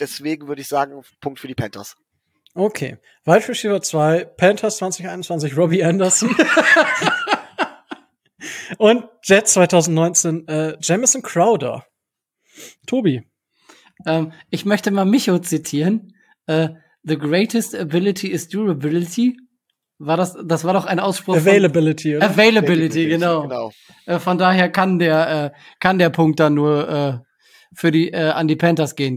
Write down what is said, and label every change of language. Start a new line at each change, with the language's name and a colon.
German: Deswegen würde ich sagen, Punkt für die Panthers. Okay, Wide Receiver 2, Panthers 2021, Robbie Anderson. Und Jets 2019, Jamison Crowder. Tobi. Ich möchte mal Micho zitieren.
English: The greatest ability is durability.
German: War das war doch ein Ausspruch. Availability, oder? Availability, genau. Von daher kann der Punkt dann nur an die Panthers gehen.